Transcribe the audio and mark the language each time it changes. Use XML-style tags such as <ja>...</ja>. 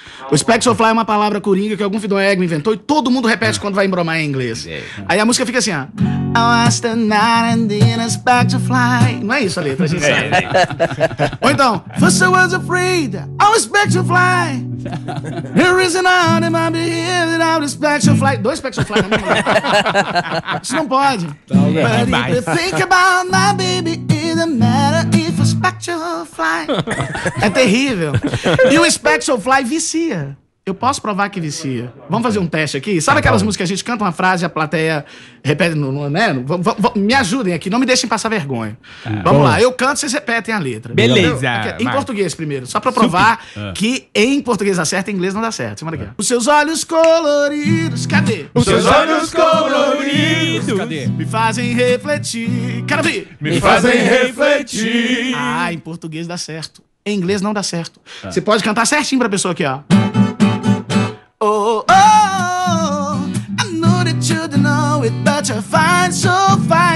<pt>O Spectral Fly é uma palavra coringa que algum Fidon Egg inventou e todo mundo repete quando vai embromar em inglês. Aí a música fica assim, ó.</pt> <en>I was the night and then a Spectral Fly.</en> <pt>Não é isso a letra, a gente sabe.</pt> <en>Ou então, first I was afraid, I was Spectral Fly. There is an animal behind without a Spectral Fly.</en> <pt>2 Spectral Fly na minha mão. Isso não pode.</pt> <en>But if you think about my baby, it doesn't matter if a Spectral Fly.</en> <pt>É terrível. E o Spectral Fly vicia. Eu posso provar que vicia. Vamos fazer um teste aqui? Sabe aquelas músicas que a gente canta uma frase e a plateia repete, né? Me ajudem aqui, não me deixem passar vergonha. Vamos lá, eu canto, vocês repetem a letra. Beleza. Em português primeiro, só pra provar que em português dá certo, em inglês não dá certo. Aqui. Os seus olhos coloridos, cadê? Os seus olhos coloridos, cadê? Me fazem refletir. Quero ver. Me fazem refletir. Ah, em português dá certo. Em inglês não dá certo. Você pode cantar certinho pra pessoa aqui, ó.</pt> <en>Oh, oh, oh, I know that you don't know it, but you're fine, so fine.</en>